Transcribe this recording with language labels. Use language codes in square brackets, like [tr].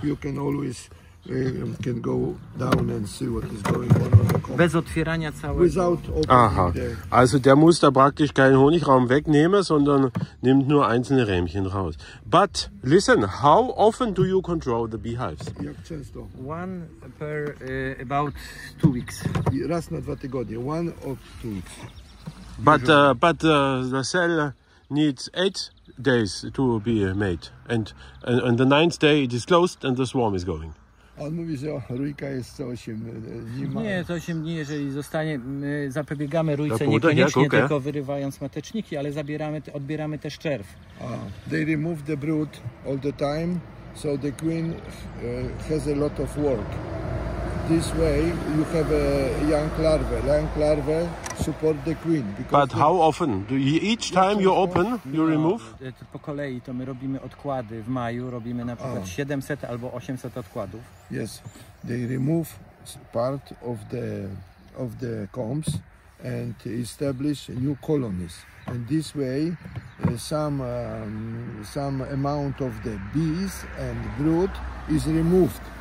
[en] You can always can go down and see what is going on. [pl] Bez otwierania całego. [en] Without opening. Aha. [de] Also der muss da praktisch keinen Honigraum wegnehmen, sondern nimmt nur einzelne Rämchen raus. [en] But listen, how often do you control the beehives? One per about 2 weeks. [pl] Raz na dwa tygodnie. [en] One or 2 weeks. But the cell needs 8 days to be made, and on the ninth day it is closed and the swarm is going. [pl] On mówi, że rójka jest co 8 dni. Nie, to 8 dni, jeżeli zostanie, my zapobiegamy rójce niekoniecznie tylko wyrywając mateczniki, ale odbieramy też czerw. [en] They remove the brood all the time, so the queen has a lot of work. This way you have a young larvae. Young larvae support the queen. But how often? Do you, each time you open, you remove? [pl] No, po kolei to my robimy odkłady. W maju robimy na przykład 700 albo 800 odkładów. [en] Yes, they remove part of the combs and establish new colonies. And this way some amount of the bees and brood is removed.